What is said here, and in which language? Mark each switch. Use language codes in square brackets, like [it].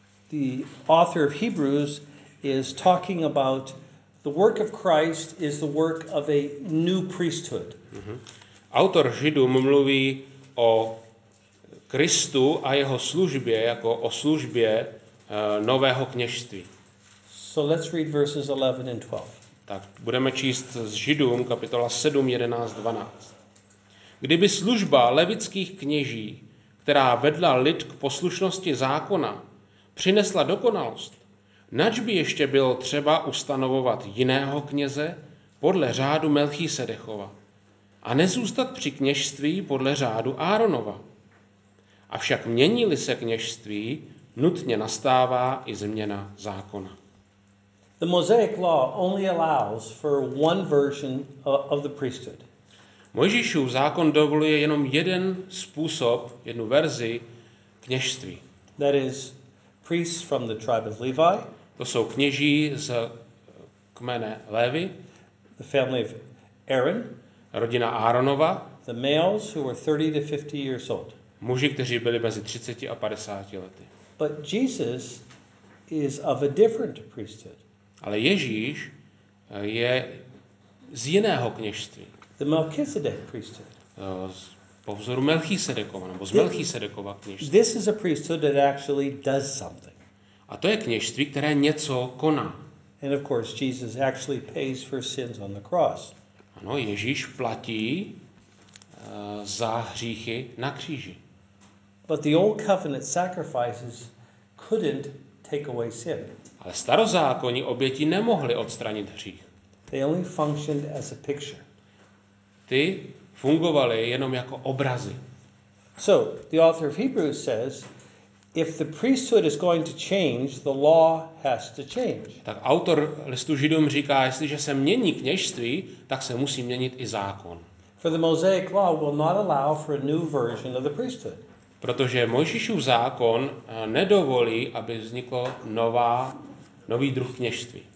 [en] The author of Hebrews is talking about the work of Christ is the work of a new priesthood. [cs] Autor Židům mluví o Kristu a jeho službě jako o službě nového kněžství. [en] So let's read verses 11 and 12. [cs] Tak budeme číst z Židům kapitola 7, 11, 12. Kdyby služba levických kněží, která vedla lid k poslušnosti zákona, přinesla dokonalost, nač by ještě bylo třeba ustanovovat jiného kněze podle řádu Melchisedechova a nezůstat při kněžství podle řádu Áronova? Avšak mění-li se kněžství, nutně nastává i změna zákona. [en] The Mosaic law only allows for one version of the priesthood. [cs] Mojžíšův zákon dovoluje jenom jeden způsob, jednu verzi kněžství. [en] That is priests from the tribe of Levi. [cs] To jsou kněží z kmene Lévy. [en] The family of Aaron. [cs] Rodina Aaronova. [en] The males who were 30 to 50 years old. [cs] Muži, kteří byli mezi 30 a 50 lety. [en] But Jesus is of a different priesthood. [cs] Ale Ježíš je z jiného kněžství. [en] The Melchizedek priesthood. [cs] Po vzoru Melchisedekova, nebo z Melchisedekova kněžství. [en] This is a priesthood that actually does something. [cs] A to je kněžství, které něco koná. [en] And of course Jesus actually pays for sins on the cross. [cs] Ano, Ježíš platí za hříchy na kříži. [en] But the old covenant sacrifices couldn't take away sin. [cs] Ale starozákonní oběti nemohly odstranit hřích. [en] They only functioned as a picture. [cs] Ty fungovaly jenom jako obrazy. [en] So, the author of Hebrews says, if the priesthood is going to change, the law has to change. [cs] Tak autor listu Židům říká, jestliže se mění kněžství, tak se musí měnit i zákon. [en] For the Mosaic law will not allow for a new version of the priesthood. [cs] Protože Mojžíšův zákon nedovolí, aby vzniklo nový druh kněžství.